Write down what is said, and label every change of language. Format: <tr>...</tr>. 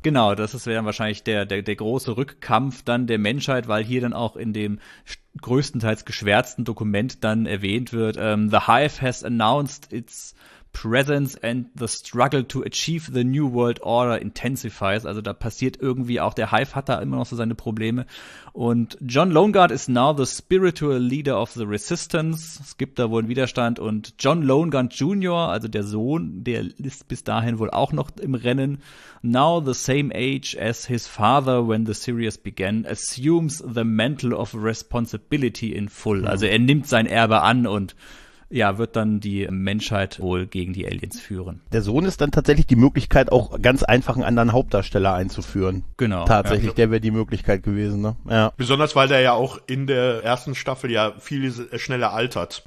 <de>Genau, das wäre wahrscheinlich der große Rückkampf dann der Menschheit, weil hier dann auch in dem größtenteils geschwärzten Dokument dann erwähnt wird,</de> <en>The Hive has announced its presence and the struggle to achieve the new world order intensifies.</en> <de>Also da passiert irgendwie auch, der Hive hat da immer noch so seine Probleme.</de> <en>Und John Lonegard is now the spiritual leader of the resistance.</en> <de>Es gibt da wohl einen Widerstand. Und John Lonegard Jr., also der Sohn, der ist bis dahin wohl auch noch im Rennen.</de> <en>Now the same age as his father when the series began, assumes the mantle of responsibility in full.</en> <de>Also er nimmt sein Erbe an und ja, wird dann die Menschheit wohl gegen die Aliens führen. Der Sohn ist dann tatsächlich die Möglichkeit, auch ganz einfach einen anderen Hauptdarsteller einzuführen. Genau. Tatsächlich, ja, der wäre die Möglichkeit gewesen, ne? Ja. Besonders, weil der ja auch in der ersten Staffel ja viel schneller altert.</de>